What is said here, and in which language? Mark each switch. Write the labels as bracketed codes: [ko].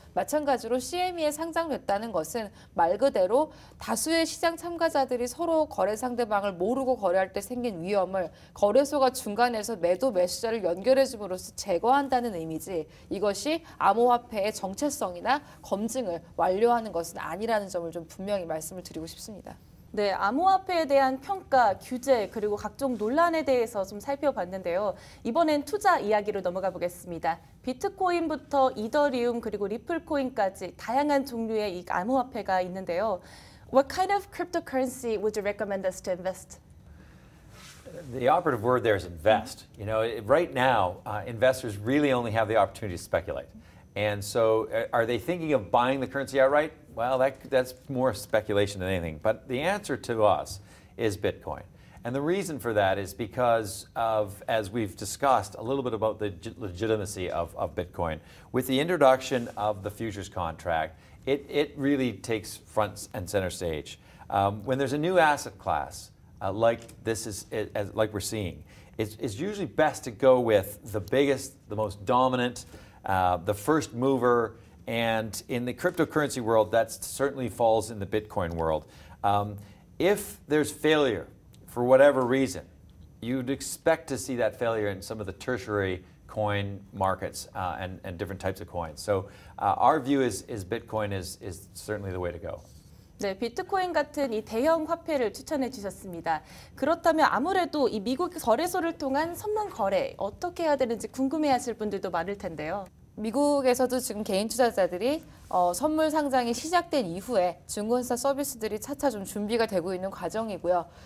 [ko] 마찬가지로 CME에 상장됐다는 것은 말 그대로 다수의 시장 참가자들이 서로 거래 상대방을 모르고 거래할 때 생긴 위험을 거래소가 중간에서 매도 매수자를 연결해줌으로써 제거한다는 의미지 이것이 암호화폐의 정체성이나 검증을 완료하는 것은 아니라는 점을 좀 분명히 말씀을 드리고 싶습니다. 네, 암호화폐에 대한 평가, 규제, 그리고 각종 논란에 대해서 좀 살펴봤는데요. 이번엔 투자 이야기로 넘어가 보겠습니다. 비트코인부터 이더리움, 그리고 리플코인까지 다양한 종류의 이 암호화폐가 있는데요. [en] What kind of cryptocurrency would you recommend us to invest? The operative word there is invest. You know, right now, investors really only have the opportunity to speculate. And so, are they thinking of buying the currency outright? Well, that's more speculation than anything. But the answer to us is Bitcoin. And the reason for that is because of, as we've discussed, a little bit about the legitimacy of Bitcoin. With the introduction of the futures contract, it really takes front and center stage. When there's a new asset class, like we're seeing, it's usually best to go with the biggest, the most dominant, the first mover. And in the cryptocurrency world, that certainly falls in the Bitcoin world. If there's failure for whatever reason, you'd expect to see that failure in some of the tertiary coin markets and different types of coins. So our view is Bitcoin is certainly the way to go. [ko] 네, 비트코인 같은 이 대형 화폐를 추천해 주셨습니다. 그렇다면 아무래도 이 미국 거래소를 통한 선물 거래 어떻게 해야 되는지 궁금해하실 분들도 많을 텐데요. 미국에서도 지금 개인 투자자들이 선물 상장이 시작된 이후에 증권사 서비스들이 차차 좀 준비가 되고 있는 과정이고요.